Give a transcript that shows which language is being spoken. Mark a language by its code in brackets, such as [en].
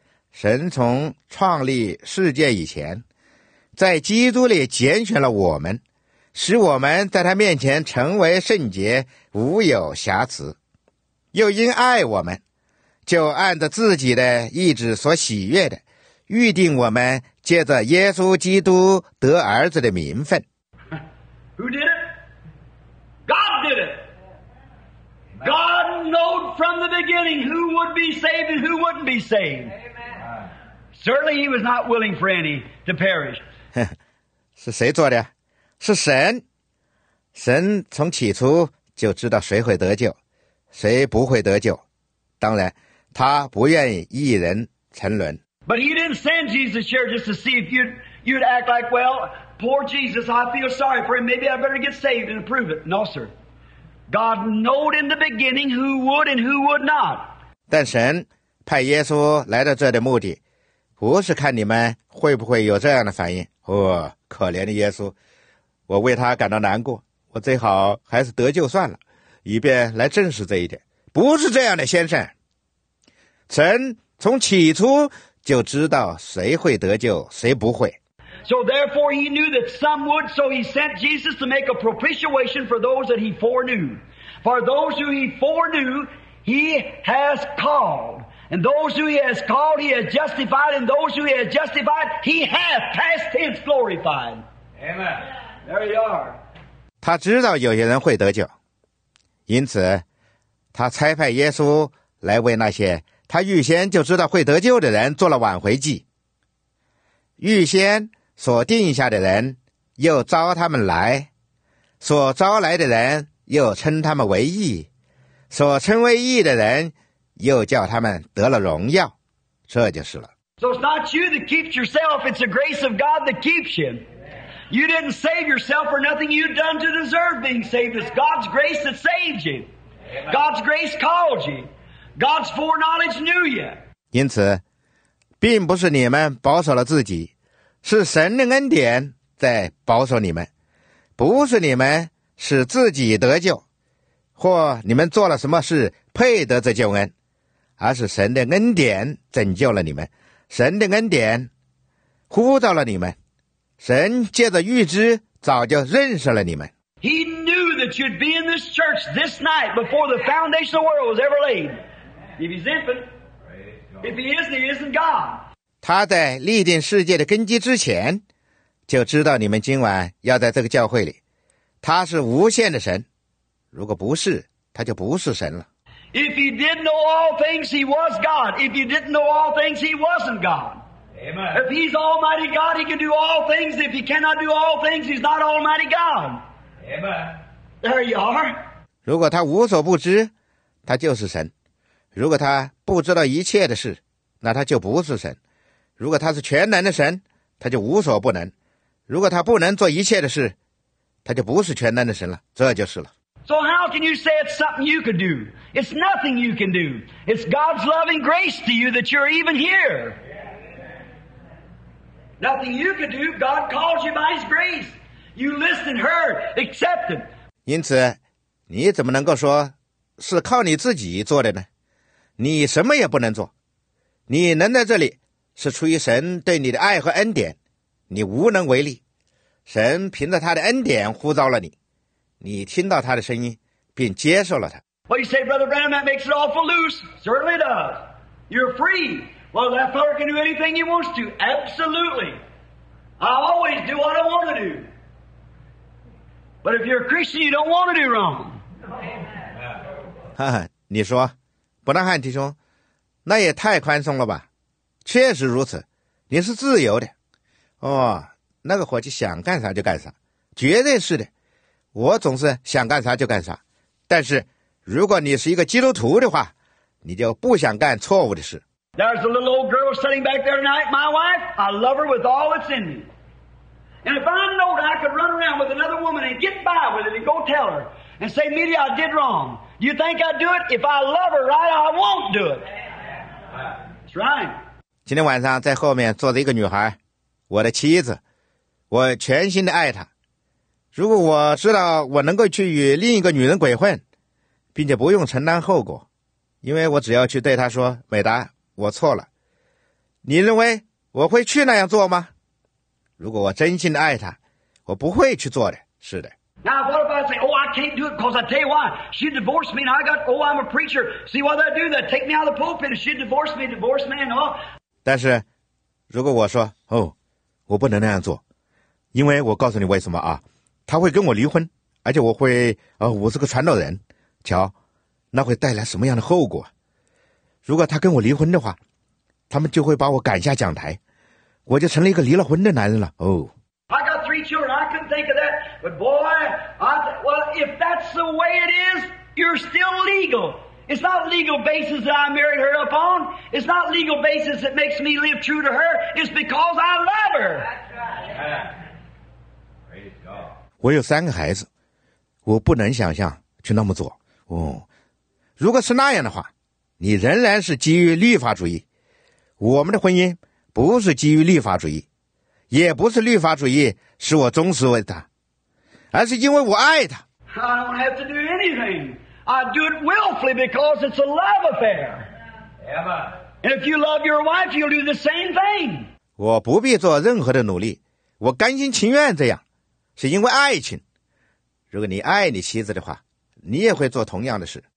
[zh] 神从创立世界以前，在基督里拣选了我们，使我们在他面前成为圣洁，无有瑕疵。又因爱我们，就按着自己的意志所喜悦的，预定我们借着耶稣基督得儿子的名分。 [en] Who did it? God did it! God knowed from the beginning who would be saved and who wouldn't be saved. Amen. Certainly he was not willing for any to perish. [zh] 是谁做的？是神。神从起初就知道谁会得救，谁不会得救。当然，他不愿意一人沉沦。 [en] But he didn't send Jesus here just to see if you'd act like, well, poor Jesus, I feel sorry for him. Maybe I better get saved and approve it. No, sir. God knowed in the beginning who would and who would not. [zh] 但神派耶稣来到这的目的，不是看你们会不会有这样的反应。哦，可怜的耶稣，我为他感到难过，我最好还是得救算了，以便来证实这一点。不是这样的，先生。神从起初就知道谁会得救，谁不会。 [en] So therefore he knew that some would, so he sent Jesus to make a propitiation for those that he foreknew. For those who he foreknew, He has called. And those who he has called, he has justified. And those who he has justified, he has past tense glorified. Amen. There you are. [zh] 他知道有些人会得救，因此他差派耶稣来为那些他预先就知道会得救的人做了挽回祭。预先所定下的人又招他们来，所招来的人又称他们为义，所称为义的人又叫他们得了荣耀，这就是了。 [en] So it's not you that keeps yourself, it's the grace of God that keeps you. You didn't save yourself for nothing you've done to deserve being saved. It's God's grace that saved you. God's grace called you. God's foreknowledge knew you. [zh] 因此，并不是你们保守了自己，是神的恩典在保守你们，不是你们使自己得救，或你们做了什么事配得这救恩，而是神的恩典拯救了你们，神的恩典呼召了你们，神借着预知早就认识了你们。 [en] He knew that you'd be in this church this night before the foundation of the world was ever laid. If he's infant, if he isn't, he isn't God. [zh] 他在立定世界的根基之前，就知道你们今晚要在这个教会里。他是无限的神，如果不是，他就不是神了。 [en] If he didn't know all things, he was God. If he didn't know all things, he wasn't God. Amen. If he's Almighty God, he can do all things. If he cannot do all things, he's not Almighty God. Amen. There you are. [zh] 如果他无所不知，他就是神；如果他不知道一切的事，那他就不是神；如果他是全能的神，他就无所不能；如果他不能做一切的事，他就不是全能的神了，这就是了。 [en] So how can you say it's something you can do? It's nothing you can do. It's God's loving grace to you that you're even here. Nothing you can do. God calls you by His grace. You listen, heard, accepted. [zh] 因此，你怎么能够说是靠你自己做的呢？你什么也不能做，你能在这里是出于神对你的爱和恩典，你无能为力。神凭着他的恩典呼召了你，你听到他的声音，并接受了他。 [en] Well, you say, Brother Branham, that makes it awful loose. Certainly does. You're free. Well, that fellow can do anything he wants to. Absolutely. I always do what I want to do. But if you're a Christian, you don't want to do wrong. [zh] 哈哈，你说，伯纳汉弟兄，那也太宽松了吧？确实如此，你是自由的。哦。那个伙计想干啥就干啥，绝对是的。我总是想干啥就干啥，但是如果你是一个基督徒的话，你就不想干错误的事。 [en] There's a little old girl sitting back there tonight, my wife. I love her with all that's in me. And if I know that I could run around with another woman and get by with it and go tell her and say, Media, I did wrong. Do you think I'd do it? If I love her, right, I won't do it. That's right. [zh] 今天晚上在后面坐着一个女孩，我的妻子。我全心地爱她，如果我知道我能够去与另一个女人鬼混，并且不用承担后果，因为我只要去对她说，美达，我错了，你认为我会去那样做吗？如果我真心地爱她，我不会去做的。是的。 [en] Now what if I say, oh, I can't do it because I tell you why, she divorced me and I got, oh, I'm a preacher, see what they do, they take me out of the pulpit and she divorced me, divorced me, and all. [zh] 但是如果我说，哦，我不能那样做，因为我告诉你为什么啊，他会跟我离婚，而且我会我是个传道人，瞧那会带来什么样的后果。如果他跟我离婚的话，他们就会把我赶下讲台，我就成了一个离了婚的男人了。哦。 [en] I got three children, I couldn't think of that, but boy, well, if that's the way it is, you're still legal. It's not legal basis that I married her upon, it's not legal basis that makes me live true to her, it's because I love her. That's right. Yeah. [zh] 我有三个孩子，我不能想象去那么做。哦，如果是那样的话，你仍然是基于律法主义。我们的婚姻不是基于律法主义，也不是律法主义使我忠实为他，而是因为我爱他。 [en] I don't have to do anything. I do it willfully because it's a love affair. Emma. And if you love your wife, you'll do the same thing. [zh] 我不必做任何的努力，我甘心情愿这样。是因为爱情，如果你爱你妻子的话，你也会做同样的事。